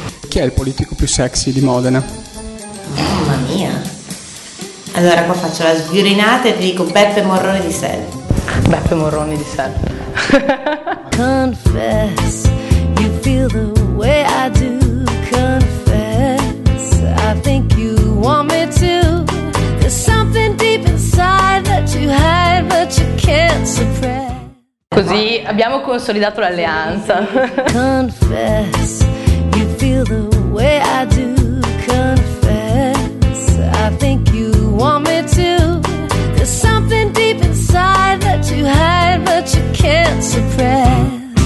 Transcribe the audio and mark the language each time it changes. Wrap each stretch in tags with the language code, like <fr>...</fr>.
<it>Chi è il politico più sexy di Modena? Mamma mia. Allora qua faccio la sbirinata e ti dico Beppe Morrone di Sel. Beppe Morrone di Sel.</it> <en>Confess, you feel the way I do. Confess, I think you want me to. There's something deep inside that you hide but you can't suppress.</en> <it>Così abbiamo consolidato l'alleanza.</it> <en>Confess, you feel the way I do. Confess, I think you want me to. There's something deep inside that you hide but you can't suppress.</en>